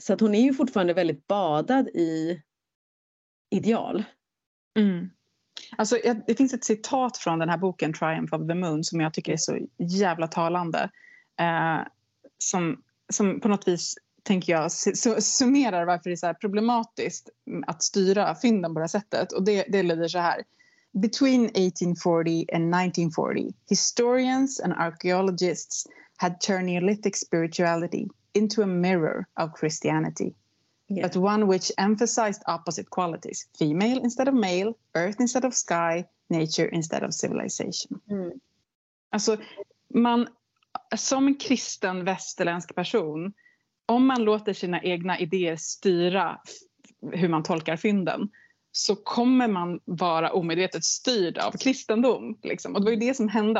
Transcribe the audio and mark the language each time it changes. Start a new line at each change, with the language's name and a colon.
Swedish: Så att hon är ju fortfarande väldigt badad i ideal. Mm. Alltså det finns ett citat från den här boken Triumph of the Moon som jag tycker är så jävla talande, som på något vis, tänker jag, summerar varför det är så här problematiskt att styra fynden på det här sättet. Och det lyder så här:
English: between 1840 and 1940, historians and archaeologists had turned Neolithic spirituality into a mirror of Christianity, yeah, but one which emphasized opposite qualities: female instead of male, earth instead of sky, nature instead of civilization. Mm.
Swedish: Alltså, man som en kristen västerländsk person, om man låter sina egna idéer styra hur man tolkar fynden, så kommer man vara omedvetet styrd av kristendom. Liksom. Och det var ju det som hände.